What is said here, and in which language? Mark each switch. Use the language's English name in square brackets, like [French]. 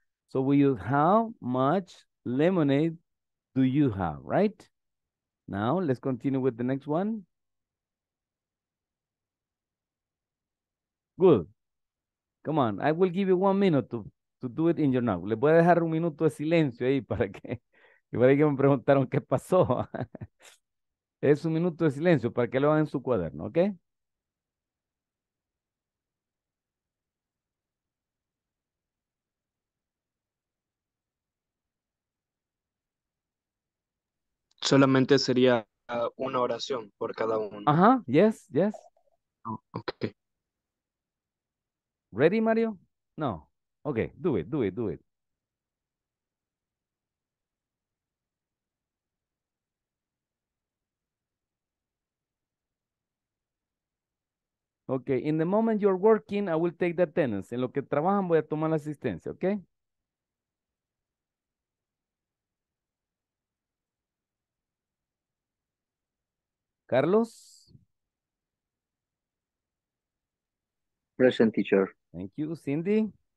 [English] So we use how much lemonade do you have, right? Now let's continue with the next one. Good. Come on, I will give you 1 minute to do it in your notebook. [Spanish] Le voy a dejar un minuto de silencio ahí para que me preguntaron qué pasó. Es un minuto de silencio para que lo hagan en su cuaderno, ¿ok? Solamente sería una oración por cada uno. [English] Ajá, yes, yes. Okay. Ready, Mario? No. Okay, do it, do it, do it. Okay, in the moment you're working, I will take the attendance. [Spanish] En lo que trabajan, voy a tomar la asistencia, okay? [English] Carlos? Present, teacher. Thank you. Cindy?